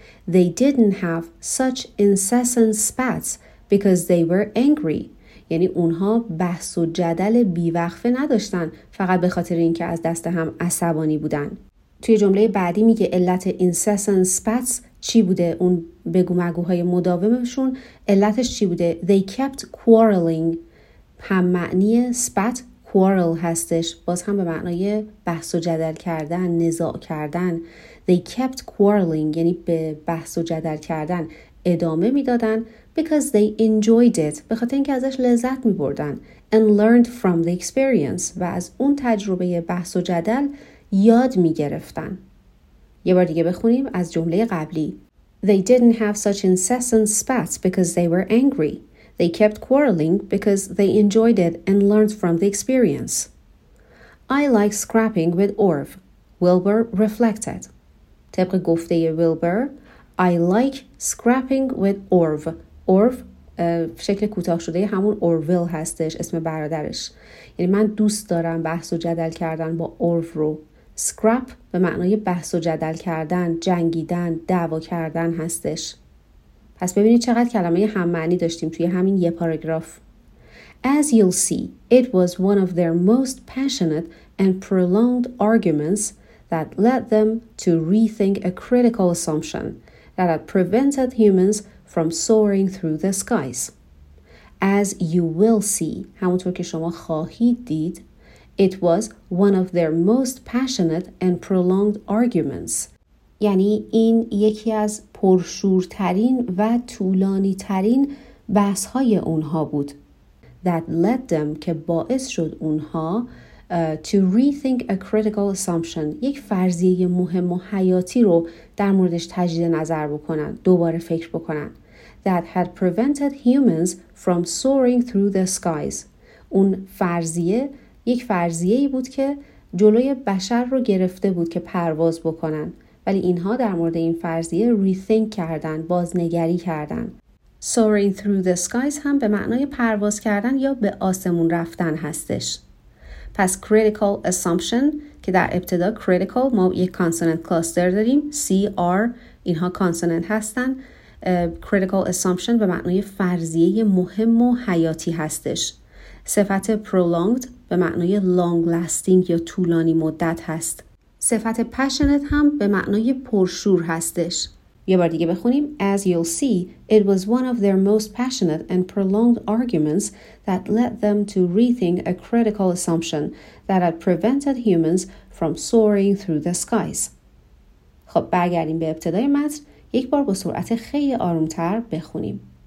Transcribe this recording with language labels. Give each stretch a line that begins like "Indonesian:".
English: They didn't have such incessant spats because they were angry.
Persian: یعنی اونها بحث و جدل بیوقفه نداشتن فقط به خاطر اینکه از دست هم عصبانی بودن. توی جمله بعدی میگه علت incessant spats چی بوده اون بگومگوهای مداومشون علتش چی بوده
English: They kept quarreling
Persian: هم معنی spat quarrel هستش، باز هم به معنای بحث و جدل کردن، نزاع کردن.
English: They kept quarreling
Persian: یعنی به بحث و جدل کردن ادامه میدادن.
English: Because they enjoyed it،
Persian: به خاطر اینکه ازش لذت میبردن.
English: And learned from the experience،
Persian: و از اون تجربه بحث و جدل یاد میگرفتن. یه بار دیگه بخونیم از جمله قبلی.
English: They didn't have such incessant spats because they were angry. They kept quarreling because they enjoyed it and learned from the experience. I like scrapping with Orv, Wilbur reflected.
Persian: طبق گفته ویلبر،
English: I like scrapping with Orv.
Persian: Orv شکل کوتاه شده همون اورویل هستش، اسم برادرش. یعنی من دوست دارم بحث و جدل کردن با اورو رو. Scrap به معنای بحث و جدل کردن، جنگیدن، دعوا کردن هستش. پس ببینید چقدر کلمه هم معنی داشتیم توی همین یه پاراگراف.
English: As you'll see, it was one of their most passionate and prolonged arguments that led them to rethink a critical assumption that had prevented humans from soaring through the skies. As you will see,
Persian: همونطور که شما خواهید دید،
English: it was one of their most passionate and prolonged arguments.
Persian: یعنی این یکی از پرشورترین و طولانی ترین بحث های اونها بود.
English: That led them
Persian: که باعث شد اونها
English: to rethink a critical assumption،
Persian: یک فرضیه مهم و حیاتی رو در موردش تجدید نظر بکنن، دوباره فکر بکنن.
English: That had prevented humans from soaring through the skies.
Persian: اون فرضیه یک فرضیه‌ای بود که جلوی بشر رو گرفته بود که پرواز بکنن. ولی اینها در مورد این فرضیه ریثینک کردن، بازنگری کردن.
English: Soaring through the skies
Persian: هم به معنای پرواز کردن یا به آسمون رفتن هستش. پس critical assumption که در ابتدا critical ما یک consonant cluster داریم. C, R اینها consonant هستن. Critical assumption به معنای فرضیه مهم و حیاتی هستش. صفت prolonged به معنای long lasting یا طولانی مدت هست. صفت passionate هم به معنای پرشور هستش. یه بار دیگه بخونیم.
English: As you'll see, it was one of their most passionate and prolonged arguments that led them to rethink a critical assumption that had prevented humans from soaring through the skies.
Persian: خب برگردیم به ابتدای متن. یک بار با سرعت خیلی آرومتر بخونیم.